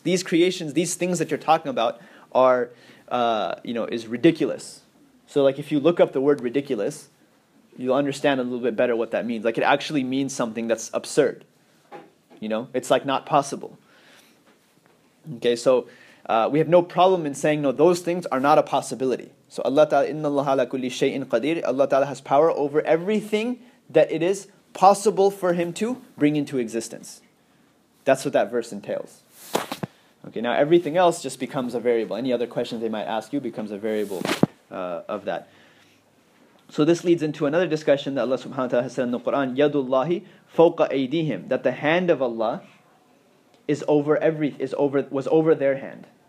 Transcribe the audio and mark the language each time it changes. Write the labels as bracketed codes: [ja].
[en] These creations, these things that you're talking about are, you know, is ridiculous. So, like, if you look up the word ridiculous, you'll understand a little bit better what that means. Like, it actually means something that's absurd. You know, it's like not possible. Okay, so we have no problem in saying, no, those things are not a possibility. So Allah Ta'ala, [ar] إِنَّ اللَّهَ عَلَى كُلِّ شَيْءٍ قَدِيرٍ. [en] Allah Ta'ala has power over everything that it is possible for Him to bring into existence. That's what that verse entails. Okay, now everything else just becomes a variable. Any other questions they might ask you becomes a variable of that. So this leads into another discussion that Allah subhanahu wa ta'ala has said in the Qur'an, [ar] يَدُ اللَّهِ فَوْقَ أَيْدِيهِمْ, [en] that the hand of Allah was over their hand.